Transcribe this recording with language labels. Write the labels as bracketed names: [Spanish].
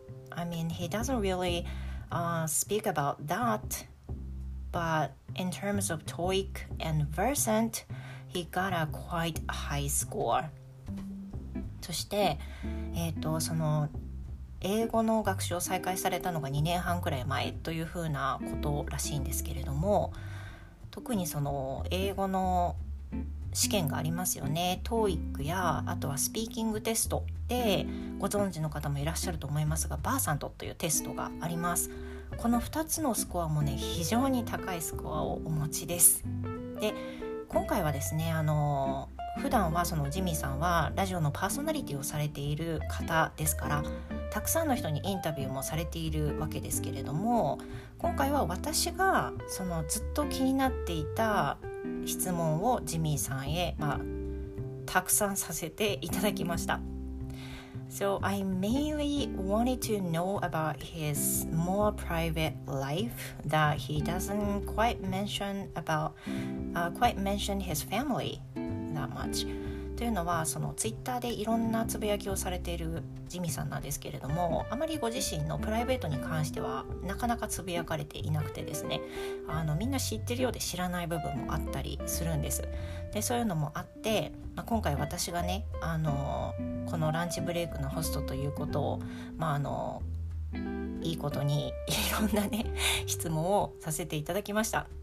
[English] I mean, he doesn't really speak about that, but in terms of TOEIC and Versant, he got a quite high score. [Japanese] そして、その英語の学習を再開されたのが2年半くらい前というふうなことらしいんですけれども、特にその英語の試験がありますよね。 TOEIC やあとはスピーキングテストで、ご存知の方もいらっしゃると思いますが、バーサントというテストがあります。この2つのスコアもね、非常に高いスコアをお持ちです。で今回はですね、普段はそのジミーさんはラジオのパーソナリティをされている方ですから、たくさんの人にインタビューもされているわけですけれども、今回は私がそのずっと気になっていた質問をジミーさんへ、たくさんさせていただきました。 [English] So I mainly wanted to know about his more private life that he doesn't quite mention about his family that much。 [Japanese] というのは、そのツイッターでいろんなつぶやきをされているジミさんなんですけれども、あまりご自身のプライベートに関してはなかなかつぶやかれていなくてですね、みんな知ってるようで知らない部分もあったりするんです。でそういうのもあって、今回私がね、このランチブレイクのホストということを、いいことにいろんなね質問をさせていただきました。